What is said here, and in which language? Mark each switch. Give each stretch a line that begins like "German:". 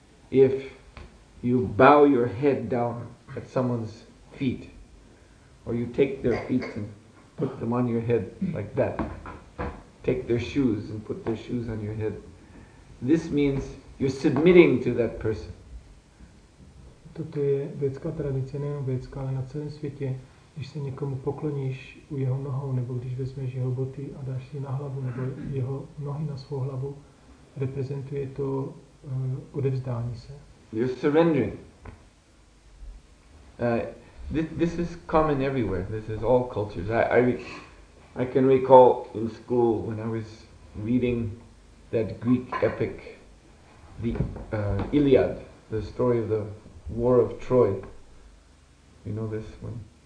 English: If you bow your head down at someone's feet, or you take their feet and put them on your head like that, take their shoes and put their shoes on your head, this means you're submitting to that person.
Czech: Toto je vědecká tradice, nejenom vědecká, ale na celém světě. Když se někomu pokloníš u jeho nohou, nebo když vezmeš jeho boty a dáš si na hlavu, nebo jeho nohy na svou hlavu, reprezentuje to odevzdání se.
English: You're surrendering. This is common everywhere. This is all cultures. I can recall in school when I was reading that Greek epic, the Iliad, the story of the War of Troy. You know this one?